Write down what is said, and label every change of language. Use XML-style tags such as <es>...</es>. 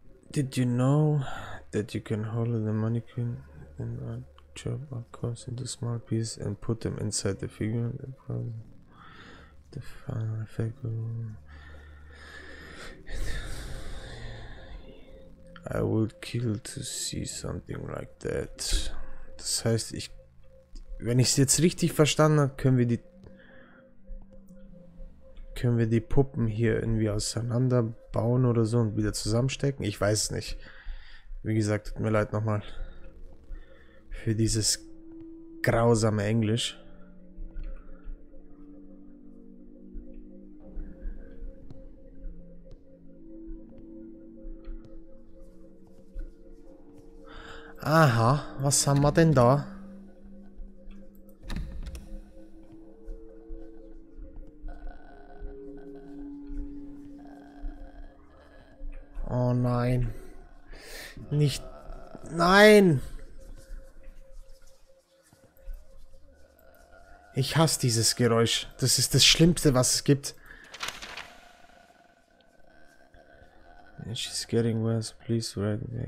<en>Did you know that you can hollow the mannequin and chop a course into small pieces and put them inside the figure? The final effect will... I would kill to see something like that.</en> <de>Das heißt, wenn ich es jetzt richtig verstanden habe, können wir die Puppen hier irgendwie auseinanderbauen oder so und wieder zusammenstecken? Ich weiß es nicht. Wie gesagt, tut mir leid nochmal für dieses grausame Englisch. Aha, was haben wir denn da? Oh nein, nicht, nein! Ich hasse dieses Geräusch. Das ist das Schlimmste, was es gibt.</de> <en>She's getting worse, please write.</en>